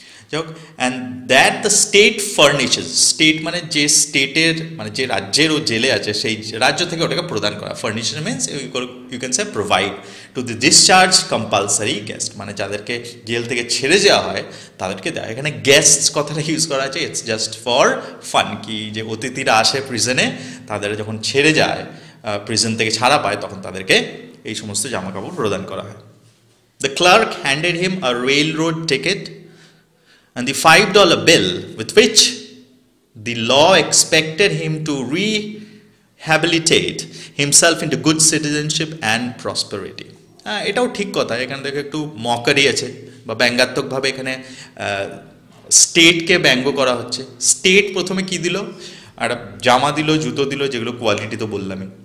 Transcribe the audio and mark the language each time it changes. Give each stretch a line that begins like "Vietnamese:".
Bangla: যাই হোক,
English: and that the state furniture,
Bangla: state মানে যে স্টেটের মানে যে রাজ্যের ও জেলে আছে সেই রাজ্য থেকে ওটাকে প্রদান করা,
English: furniture means you can say provide to the discharge compulsory guest,
Bangla: মানে যাদেরকে জেল থেকে ছেড়ে যাওয়া হয় তাদেরকে দেয়া। এখানে গেস্ট কথাটা ইউজ করা আছে
English: it's just for fun,
Bangla: কি যে অতিথিরা আসে প্রিজনে তাদের যখন ছেড়ে যায় প্রিজন থেকে ছাড়া পায় তখন তাদেরকে এই সমস্ত জামাকাপড় প্রদান করা হয়।
English: The clerk handed him a railroad ticket and the $5 bill with which the law expected him to re habilitate himself into good citizenship and prosperity.
Bangla: হ্যাঁ, এটাও ঠিক কথা, এখানে দেখো একটু মকারি আছে বা ব্যঙ্গাত্মকভাবে এখানে স্টেটকে ব্যঙ্গ করা হচ্ছে। স্টেট প্রথমে কী দিল, একটা জামা দিল, জুতো দিল, যেগুলো কোয়ালিটি তো বললামই।